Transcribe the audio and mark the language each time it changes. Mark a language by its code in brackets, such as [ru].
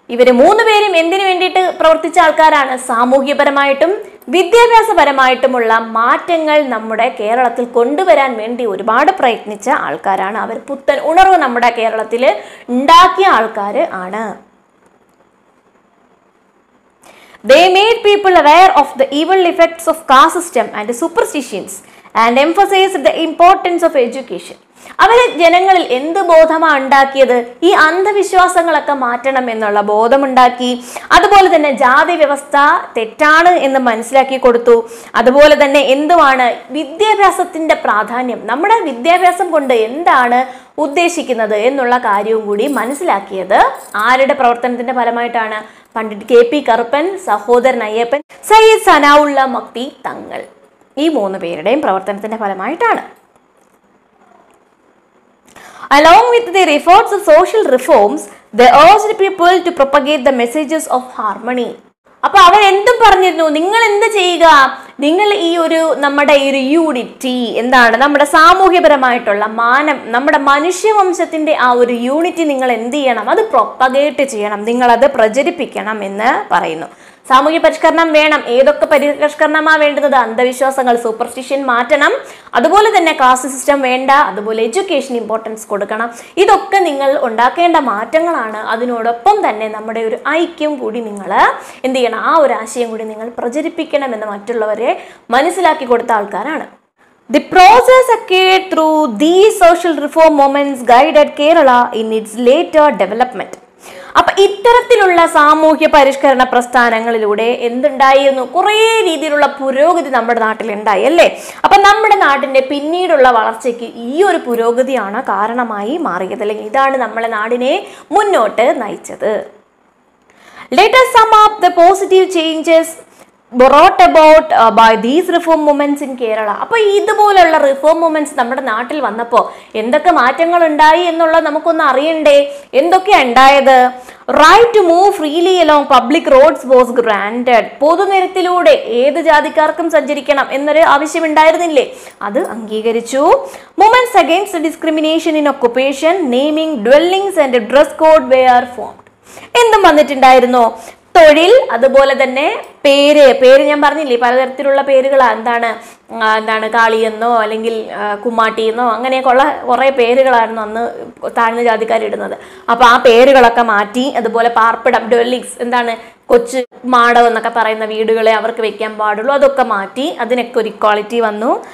[ml] ഇവർ മൂന്ന് പേരും എന്തിനു വേണ്ടിയിട്ട് പ്രവർത്തിച്ച ആൾക്കാരാണ്? സാമൂഹ്യപരമായിട്ടും വിദ്യാഭ്യാസപരമായിട്ടുമുള്ള മാറ്റങ്ങൾ നമ്മുടെ കേരളത്തിൽ കൊണ്ടുവരാൻ വേണ്ടി ഒരുപാട് പ്രയത്നിച്ച ആൾക്കാരാണ് അവർ. പുത്തൻ ഉണർവ് നമ്മുടെ കേരളത്തിൽ ഉണ്ടാക്കിയ ആൾക്കാർ ആണ്. [en] They made people aware of the evil effects of caste system and superstitions and emphasized the importance of education. [ml] അവർ ജനങ്ങളിൽ എന്ത് ബോധമാണ് ഉണ്ടാക്കിയത്? ഈ അന്ധവിശ്വാസങ്ങളൊക്കെ മാറ്റണം എന്നുള്ള ബോധമുണ്ടാക്കി. അതുപോലെ തന്നെ ജാതി വ്യവസ്ഥ തെറ്റാണ് എന്ന് മനസ്സിലാക്കി കൊടുത്തു. അതുപോലെ തന്നെ എന്തുമാണ് വിദ്യാഭ്യാസത്തിൻ്റെ പ്രാധാന്യം, നമ്മുടെ വിദ്യാഭ്യാസം കൊണ്ട് എന്താണ് ഉദ്ദേശിക്കുന്നത് എന്നുള്ള കാര്യവും കൂടി മനസ്സിലാക്കിയത് ആരുടെ പ്രവർത്തനത്തിൻ്റെ ഫലമായിട്ടാണ്? പണ്ഡിറ്റ് കെ പി കറുപ്പൻ, സഹോദരൻ അയ്യപ്പൻ, സയ്യിദ് സനാഉള്ള മക്തി തങ്ങൾ, ഈ മൂന്ന് പേരുടെയും പ്രവർത്തനത്തിൻ്റെ ഫലമായിട്ടാണ്. [en] Along with their efforts of social reforms, they urged people to propagate the messages of harmony. [ml] അപ്പോൾ അവരെന്തും പറഞ്ഞിരുന്നു, നിങ്ങൾ എന്ത് ചെയ്യുക, നിങ്ങൾ ഈ ഒരു നമ്മുടെ ഈ ഒരു യൂണിറ്റി, എന്താണ് നമ്മുടെ സാമൂഹ്യപരമായിട്ടുള്ള മാനം, നമ്മുടെ മനുഷ്യവംശത്തിൻ്റെ ആ ഒരു യൂണിറ്റി നിങ്ങൾ എന്ത് ചെയ്യണം, അത് പ്രൊപ്പഗേറ്റ് ചെയ്യണം, നിങ്ങളത് പ്രചരിപ്പിക്കണം എന്ന് പറയുന്നു. സാമൂഹ്യ പരിഷ്കരണം വേണം. ഏതൊക്കെ പരിഷ്കരണമാണ് വേണ്ടുന്നത്? അന്ധവിശ്വാസങ്ങൾ, സൂപ്പർസ്റ്റിഷ്യൻ മാറ്റണം, അതുപോലെ തന്നെ കാസ്റ്റ് സിസ്റ്റം വേണ്ട, അതുപോലെ എഡ്യൂക്കേഷൻ ഇമ്പോർട്ടൻസ് കൊടുക്കണം. ഇതൊക്കെ നിങ്ങൾ ഉണ്ടാക്കേണ്ട മാറ്റങ്ങളാണ്. അതിനോടൊപ്പം തന്നെ നമ്മുടെ ഒരു ഐക്യം കൂടി നിങ്ങൾ എന്ത് ചെയ്യണം, ആ ഒരു ആശയം കൂടി നിങ്ങൾ പ്രചരിപ്പിക്കണം എന്ന് മറ്റുള്ളവരെ മനസ്സിലാക്കി കൊടുത്ത ആൾക്കാരാണ്. [en] The process occurred through these social reform movements guided Kerala in its later development. [ml] അപ്പൊ ഇത്തരത്തിലുള്ള സാമൂഹ്യ പരിഷ്കരണ പ്രസ്ഥാനങ്ങളിലൂടെ എന്തുണ്ടായിരുന്നു? കുറേ രീതിയിലുള്ള പുരോഗതി നമ്മുടെ നാട്ടിലുണ്ടായി അല്ലേ. അപ്പൊ നമ്മുടെ നാടിന്റെ പിന്നീടുള്ള വളർച്ചയ്ക്ക് ഈ ഒരു പുരോഗതിയാണ് കാരണമായി മാറിയത്, അല്ലെങ്കിൽ ഇതാണ് നമ്മളെ നാടിനെ മുന്നോട്ട് നയിച്ചത്. [en] Let us sum up the positive changes brought about by these reform movements in Kerala. [ml] അപ്പോൾ ഇതുപോലുള്ള [en] reform movements [ml] നമ്മുടെ നാട്ടിൽ വന്നപ്പോൾ എന്തൊക്കെ മാറ്റങ്ങൾ ഉണ്ടായി എന്നുള്ളത് നമുക്കൊന്ന് അറിയണ്ടേ? എന്തൊക്കെയാണ് ഉണ്ടായത്? [en] Right to move freely along public roads was granted. [ml] പൊതുനിരത്തിലൂടെ ഏത് ജാതിക്കാർക്കും സഞ്ചരിക്കണം എന്നൊരു ആവശ്യം ഉണ്ടായിരുന്നില്ലേ? അത് അംഗീകരിച്ചു. [en] Movements against discrimination in occupation, naming, dwellings and dress code were formed. [ml] എന്തും വന്നിട്ടുണ്ടായിരുന്നോ? തൊഴിൽ, അതുപോലെ തന്നെ പേര്, പേര് ഞാൻ പറഞ്ഞില്ലേ പലതരത്തിലുള്ള പേരുകളാണ്, എന്താണ് കാളിയെന്നോ അല്ലെങ്കിൽ കുമ്മാട്ടിയെന്നോ അങ്ങനെയൊക്കെയുള്ള കുറേ പേരുകളായിരുന്നു അന്ന് താഴ്ന്ന ജാതിക്കാരിടുന്നത്. അപ്പോൾ ആ പേരുകളൊക്കെ മാറ്റി, അതുപോലെ പാർപ്പിടം, ഡ്വെല്ലിങ്സ്, എന്താണ് കൊച്ചു മാടം എന്നൊക്കെ പറയുന്ന വീടുകളെ അവർക്ക് വയ്ക്കാൻ പാടുള്ളൂ, അതൊക്കെ മാറ്റി, അതിനൊക്കെ ഒരു ഇക്വാളിറ്റി വന്നു.